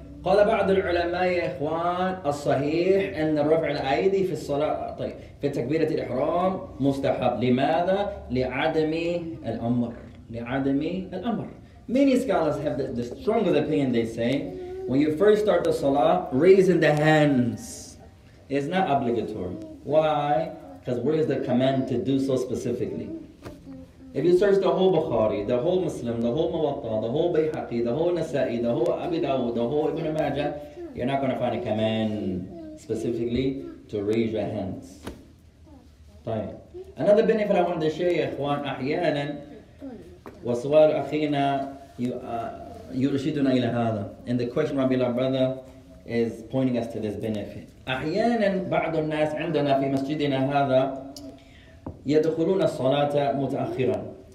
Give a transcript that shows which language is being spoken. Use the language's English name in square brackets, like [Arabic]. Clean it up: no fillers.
[Arabic] قال بعض العلماء يا إخوان الصحيح أن رفع الأيدي في الصلاة طيب في تكبيرة الإحرام مستحب. لماذا؟ لعدم الأمر. لعدم الأمر. [English] Many scholars have the strongest opinion, they say. When you first start the salah, raising the hands is not obligatory. Why? Because where is the command to do so specifically? If you search the whole Bukhari, the whole Muslim, the whole Muwatta, the whole Bayhaqi, the whole Nasa'i, the whole Abi Dawud, the whole Ibn Majah, you're not going to find a command specifically to raise your hands. طيب. Another benefit I wanted to share, ikhwan, ahyanan, [Arabic] وسؤال أخينا يرشدنا إلى هذا. [English] And the question of our brother is pointing us to this benefit. [Arabic] أحياناً بعض الناس عندنا في مسجدنا هذا يدخلون الصلاة متأخراً.